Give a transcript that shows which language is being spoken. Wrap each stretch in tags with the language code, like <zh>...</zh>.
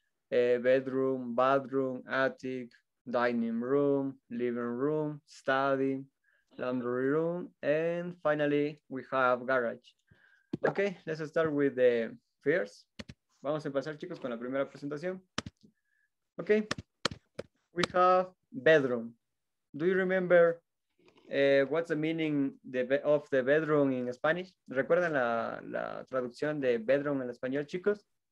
<en>bedroom, bathroom, attic, dining room, living room, study, laundry room, and finally we have garage. Okay, let's start with the first.</en> <es>Vamos a empezar, chicos, con la primera presentación.</es> <en>Okay, we have bedroom. Do you remember what's the meaning of the bedroom in Spanish?</en> <es>¿Recuerdan la traducción de bedroom en español, chicos?</es>